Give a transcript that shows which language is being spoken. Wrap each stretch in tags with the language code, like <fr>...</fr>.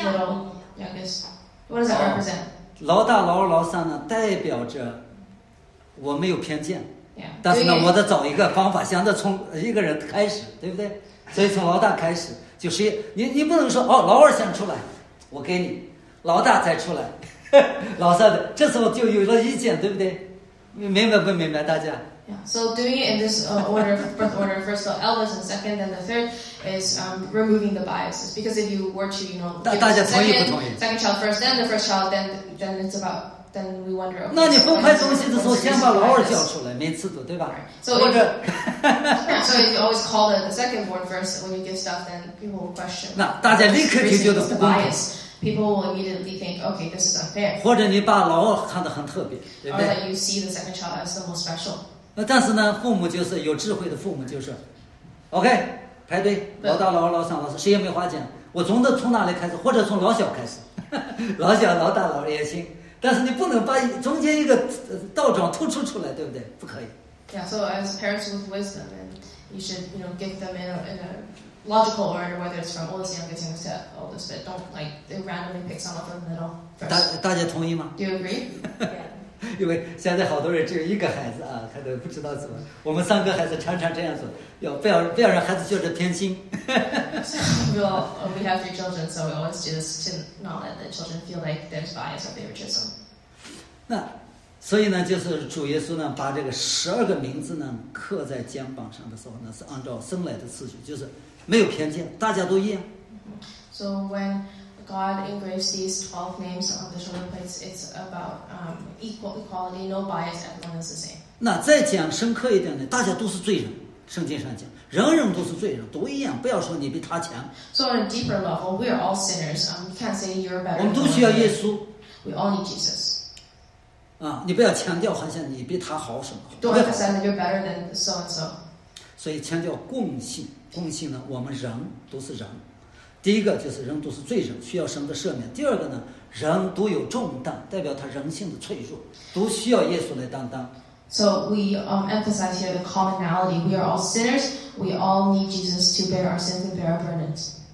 <en>Distribute things in order of oldest, little, youngest. What does that represent?</en> <zh>老大、老二、老三呢，代表着我没有偏见。</zh> <en>Yeah.</en> <zh>但是呢，我得找一个方法，想着从一个人开始，对不对？所以从老大开始，就是你不能说哦，老二先出来，我给你，老大再出来，老三的，这时候就有了意见，对不对？明白不明白大家？</zh> <en>Yeah. So doing it in this order, birth order, first of all, eldest and second, and the third is removing the biases. Because if you were to, you know, second child first, then the first child, then it's about, then we wonder, okay,</en> <zh>那你分派东西的时候先把老二叫出来，每次都对吧？</zh> <en>So if you always call the second born first when you give stuff, then people will question.</en> <zh>那大家立刻就觉得不公平。</zh> <en>People will immediately think, okay, this is unfair.</en> <zh>或者你把老二看得很特别，对不对？</zh> <en>Or that you see the second child as the most special.</en> <zh>但是呢，父母就是有智慧的父母，就是 ，OK， 排队，老大、老二、老三、老四，谁也没花钱，我总得从哪里开始，或者从老小开始，老小、老大、老二也行。但是你不能把中间一个倒桩突出出来，对不对？不可以。</zh> <en>Yeah, so as parents with wisdom, and you should, you know, give them in a logical order, whether it's from oldest youngest to oldest, but don't like randomly pick some of the middle first.</en> <zh>大家同意吗</zh> <en>？Do you agree? Yeah.</en> <zh>因为现在好多人只有一个孩子啊，他都不知道怎么。我们三个孩子常常这样子，要不要让孩子觉得偏心。</zh> <en>we have three children, so we always do this to not let the children feel like there's bias or favoritism.</en> <zh>那所以呢，就是主耶稣呢，把这个十二个名字呢刻在肩膀上的时候呢，是按照生来的次序，就是没有偏见，大家都一样。</zh> <en>So when God engraves these 12 names on the shoulder plates. It's about equality, no bias, everyone is the same.</en> <zh>那再讲深刻一点呢？大家都是罪人。圣经上讲，人人都是罪人，都一样。不要说你比他强。</zh> <en>So on a deeper level, we are all sinners. You can't say you're better.</en> <zh>我们都需要耶稣。</zh> <en>We all need Jesus.</en> <zh>啊，你不要强调好像你比他好什么。</zh> <en>Don't emphasize that you're better than so and so.</en> <zh>所以强调共性，共性呢？我们人都是人。第一个就是人都是罪人，需要神的赦免。第二个呢，人都有重担，代表他人性的脆弱，都需要耶稣来担当。</zh> <en>So we emphasize here the commonality. We are all sinners. We all need Jesus to bear our sins and bear our burdens.</en>